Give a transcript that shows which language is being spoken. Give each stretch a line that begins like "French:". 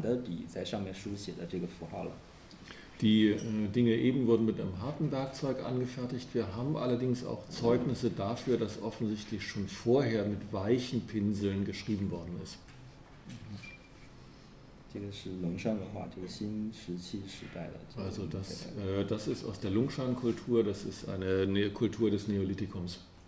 Chinese: 但是我们在这个更早的时候就已经看到，在陶罐上面已经有用软的笔在上面书写的这个符号了。Die
German: Dinge eben wurden mit einem harten Werkzeug angefertigt. Wir haben allerdings auch Zeugnisse dafür, dass offensichtlich schon vorher mit weichen Pinseln geschrieben worden ist.
Chinese: 这个是龙山文化，这个新石器时代的。Also
German: das ist aus der Longshan-Kultur. Das ist eine Kultur des Neolithikums.